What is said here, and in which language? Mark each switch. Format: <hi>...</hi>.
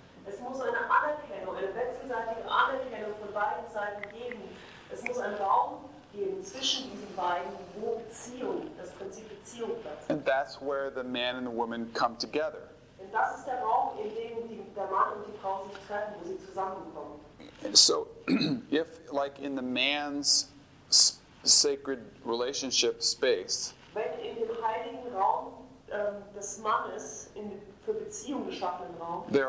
<de>Es muss eine Anerkennung, eine wechselseitige Anerkennung von beiden Seiten geben. Es muss einen Raum geben zwischen diesen beiden, wo Beziehung, das Prinzip Beziehung platziert.</de> <en>And that's where the man and the woman come together.</en> <de>Und das ist der Raum, in dem der Mann und die Frau sich treffen, wo sie zusammenkommen.</de> <en>So, if, like in the man's sacred relationship space,</en> <de>wenn in dem heiligen Raum des Mannes, in für Beziehung geschaffenen Raum,</de>